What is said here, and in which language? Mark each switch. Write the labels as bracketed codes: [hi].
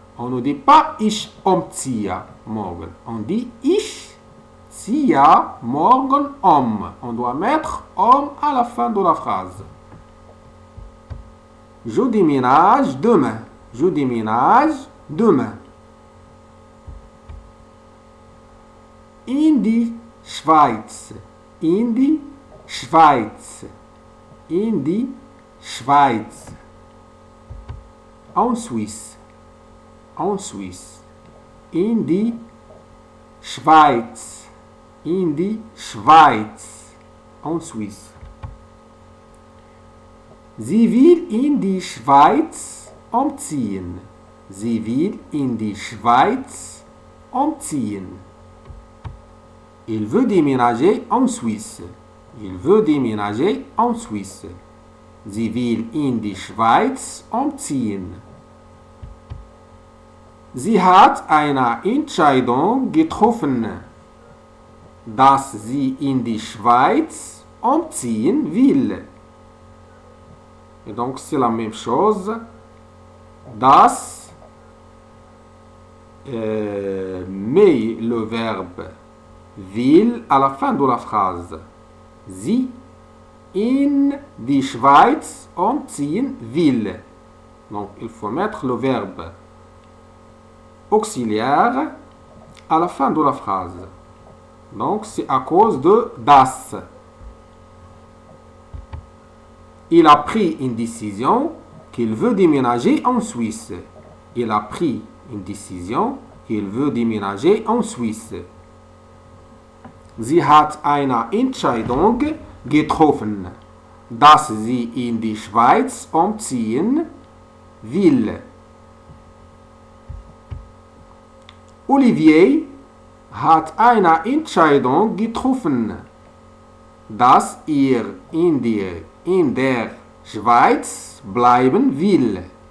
[fr] On ne dit pas [de] ich umziehe morgen. [fr] On dit [de] ich ziehe morgen um. [fr] On doit mettre um à la fin de la phrase. Je déménage demain. Je déménage demain. [de] In die Schweiz. In die Schweiz. In die Schweiz. [fr] En Suisse. En Suisse. [de] In die Schweiz. In die Schweiz. [fr] en Suisse. [de] Sie will in die Schweiz umziehen. Sie will in die Schweiz umziehen. [fr] Il veut déménager en Suisse. Il veut déménager en Suisse. [de] Sie will in die Schweiz umziehen. Sie hat eine Entscheidung getroffen, dass sie in die Schweiz umziehen will. [fr] Et donc, c'est la même chose. Das, mais le verbe will à la fin de la phrase. [de] Sie in die Schweiz umziehen will. [fr] Donc, il faut mettre le verbe auxiliaire à la fin de la phrase. Donc, c'est à cause de das. Il a pris une décision qu'il veut déménager en Suisse. Il a pris une décision qu'il veut déménager en Suisse. [de] Sie hat eine Entscheidung getroffen, dass sie in die Schweiz umziehen will. Olivier hat eine Entscheidung getroffen, dass er in der Schweiz bleiben will.